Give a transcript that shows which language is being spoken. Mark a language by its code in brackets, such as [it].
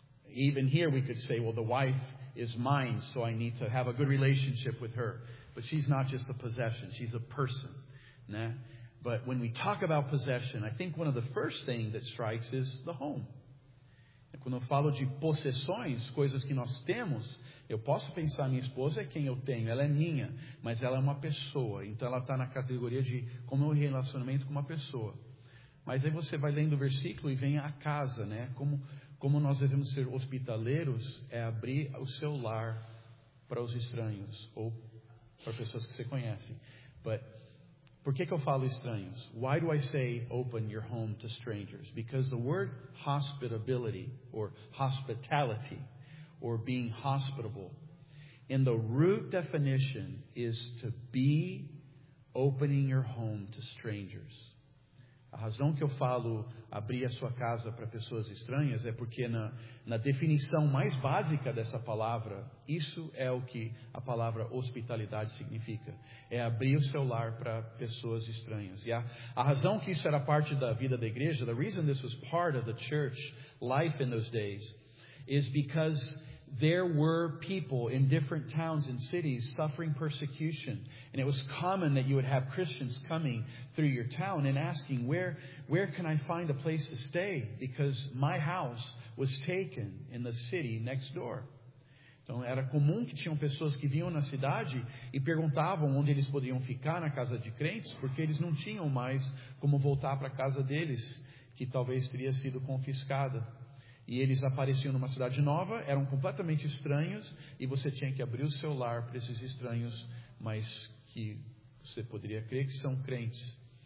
[en] Even here we could say, well, the wife is mine, so I need to have a good relationship with her. But she's not just a possession, she's a person. Né? But when we talk about possession, I think one of the first things that strikes is the home. [pt] Quando eu falo de possessões, coisas que nós temos, eu posso pensar, minha esposa é quem eu tenho, ela é minha, mas ela é uma pessoa. Então ela está na categoria de como é um relacionamento com uma pessoa. Mas aí você vai lendo o versículo e vem a casa, né? Como nós devemos ser hospitaleiros, é abrir o seu lar para os estranhos ou para pessoas que você conhece. [en] But, [pt] por que que eu falo estranhos? [en] Why do I say open your home to strangers? Because the word hospitability or hospitality or being hospitable in the root definition is to be opening your home to strangers. [pt] A razão que eu falo abrir a sua casa para pessoas estranhas é porque na definição mais básica dessa palavra, isso é o que a palavra hospitalidade significa. É abrir o seu lar para pessoas estranhas. E a razão que isso era parte da vida da igreja, [en] the reason this was part of the church life in those days, is because there were people in different towns and cities suffering persecution. And it was common that you would have Christians coming through your town and asking, where can I find a place to stay? Because my house was taken in the city next door. [pt] Então, era comum que tinham pessoas que vinham na cidade e perguntavam onde eles podiam ficar na casa de crentes, porque eles não tinham mais como voltar para a casa deles, que talvez teria sido confiscada. E eles apareciam numa cidade nova, eram completamente estranhos, e você tinha que abrir o seu lar para esses estranhos, mas que você poderia crer que são crentes.